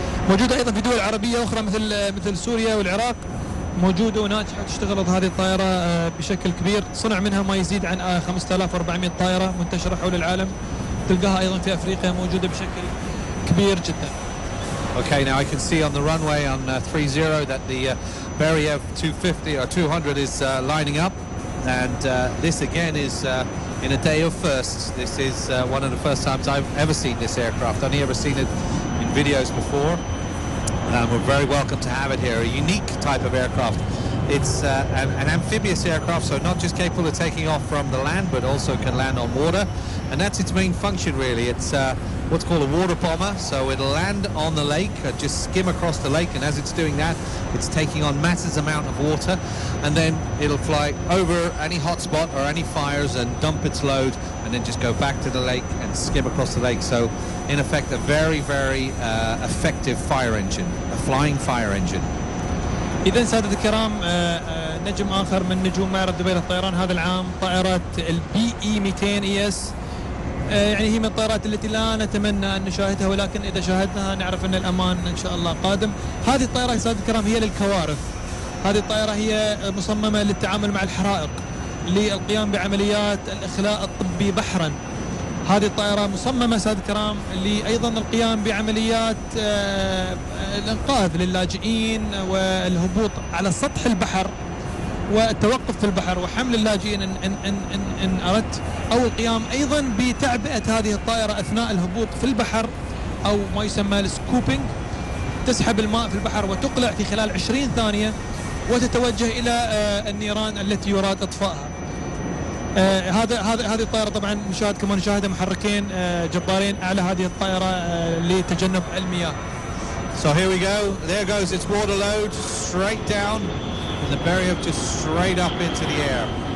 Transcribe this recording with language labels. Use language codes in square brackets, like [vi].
[ar] موجوده ايضا في دول عربيه اخرى مثل سوريا والعراق. موجودة وناجحة تشتغل هذه الطائرة بشكل كبير صنع منها ما يزيد عن 5400 طائرة منتشرة حول العالم تلقاها أيضا في أفريقيا موجودة بشكل كبير جدا [en] Okay, now I can see on the runway on 30 that the Beriev 250 or 200 is lining up and this again is in a day of firsts this is one of the first times I've ever seen this aircraft I've never seen it in videos before we're very welcome to have it here, a unique type of aircraft. It's an amphibious aircraft, so not just capable of taking off from the land, but also can land on water. And that's its main function, really. It's what's called a water bomber, so it'll land on the lake, just skim across the lake, and as it's doing that, it's taking on massive amount of water, and then it'll fly over any hotspot or any fires and dump its load, and then just go back to the lake and skim across the lake. So, in effect, a very, very effective fire engine, a flying fire engine. [ar] إذن سادة الكرام نجم آخر من نجوم معرض دبي للطيران هذا العام طائرة البي إي 200 إس يعني هي من الطائرات التي لا نتمنى أن نشاهدها، ولكن إذا شاهدناها نعرف أن الأمان إن شاء الله قادم. هذه الطائرة سيادة الكرام هي للكوارف، هذه الطائرة هي مصممة للتعامل مع الحرائق، للقيام بعمليات الإخلاء الطبي بحرا. هذه الطائرة مصممة سيادة الكرام لأيضا القيام بعمليات الإنقاذ للاجئين والهبوط على سطح البحر والتوقف في البحر وحمل اللاجئين إن أردت، أو القيام أيضا بتعبئة هذه الطائرة أثناء الهبوط في البحر أو ما يسمى السكوبينج، تسحب الماء في البحر وتقلع في خلال 20 ثانية وتتوجه إلى النيران التي يراد إطفائها. هذه الطائرة طبعا نشاهد كما نشاهدها محركين جبارين على هذه الطائرة لتجنب المياه. [en] So here we go, there goes its water load straight down. And the barrier just straight up into the air.